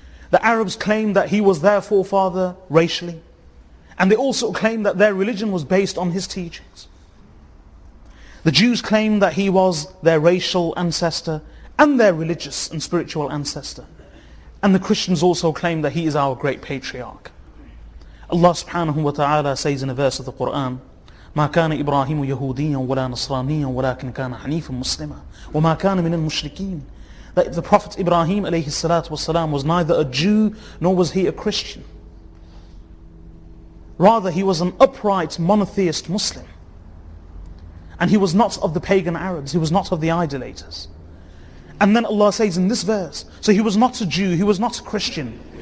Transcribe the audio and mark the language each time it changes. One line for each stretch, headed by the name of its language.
English: The Arabs claimed that he was their forefather racially, and they also claimed that their religion was based on his teachings. The Jews claim that he was their racial ancestor and their religious and spiritual ancestor. And the Christians also claim that he is our great patriarch. Allah subhanahu wa ta'ala says in a verse of the Quran,
Arabic: مَا كَانَ إِبْرَاهِيمُ يَهُودِيًّا وَلَا نَصْرَانِيًّا وَلَكِنْ كَانَ حَنِيفًا مُسْلِمًا وَمَا كَانَ مِنَ الْمُشْرِكِينَ.
English: That the Prophet Ibrahim alayhi salatu wasalam was neither a Jew nor was he a Christian. Rather, he was an upright monotheist Muslim. And he was not of the pagan Arabs, he was not of the idolaters. And then Allah says in this verse, so he was not a Jew, he was not a Christian.